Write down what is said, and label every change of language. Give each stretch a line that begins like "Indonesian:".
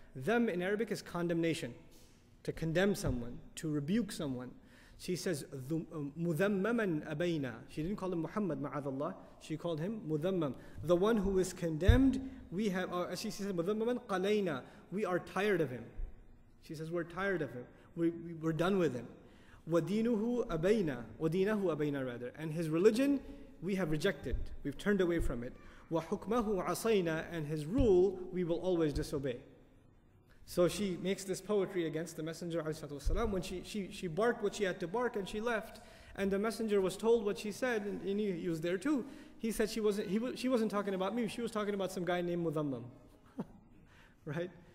English: Dham in Arabic is condemnation, to condemn someone, to rebuke someone. She says, mudhammaman abayna. She didn't call him Muhammad, ma'adallah. She called him mudhammam. The one who is condemned, we have, as she says, mudhammaman qalayna. We are tired of him. She says, we're tired of him. We're done with him.
Arabic: وَدِينُهُ أَبَيْنَا وَدِينَهُ أَبَيْنَا rather.
English: And his religion, we have rejected. We've turned away from it.
Arabic: وَحُكْمَهُ عَصَيْنَا
English: and his rule, we will always disobey. So she makes this poetry against the Messenger والسلام, when she barked what she had to bark and she left. And the Messenger was told what she said, and he was there too. He said she wasn't talking about me, she was talking about some guy named Mudhammam. Right?